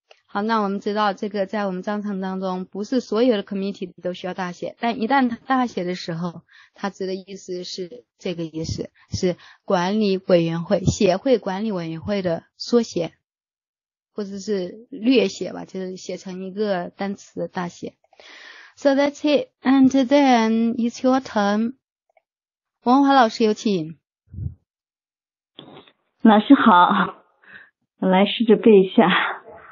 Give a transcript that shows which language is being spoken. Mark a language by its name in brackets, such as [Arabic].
[Chinese] 好，那我们知道这个在我们章程当中不是所有的 committee 都需要大写，但一旦大写的时候它指的意思是这个意思，是管理委员会，协会管理委员会的缩写，或者是略写吧，就是写成一个单词的大写。 [English] So that's it, and then it's your turn. [Chinese] 王华老师有请。老师好，我来试着背一下。